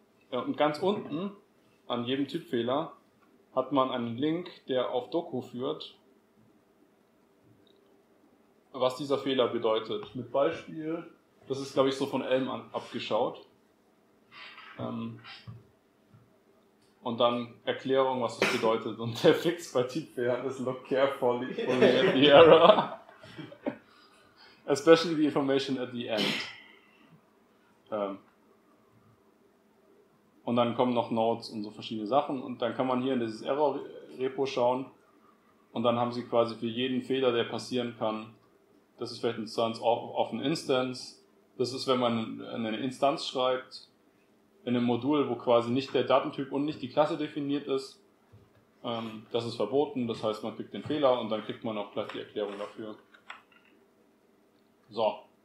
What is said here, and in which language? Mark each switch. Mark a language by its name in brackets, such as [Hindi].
[German] Und ganz unten an jedem Typfehler hat man einen Link, der auf Doku führt, was dieser Fehler bedeutet. Mit Beispiel, das ist glaube ich so von Elm abgeschaut. Und dann Erklärung, was das bedeutet. Und der Fix bei Typfehlern ist [English] look carefully for the error. Especially the information at the end. [German] Und dann kommen noch Notes und so verschiedene Sachen und dann kann man hier in dieses Error-Repo schauen und dann haben sie quasi für jeden Fehler, der passieren kann, das ist vielleicht ein Instance of an Instance, das ist, wenn man eine Instanz schreibt, in einem Modul, wo quasi nicht der Datentyp und nicht die Klasse definiert ist, das ist verboten, das heißt, man kriegt den Fehler und dann kriegt man auch gleich die Erklärung dafür. So.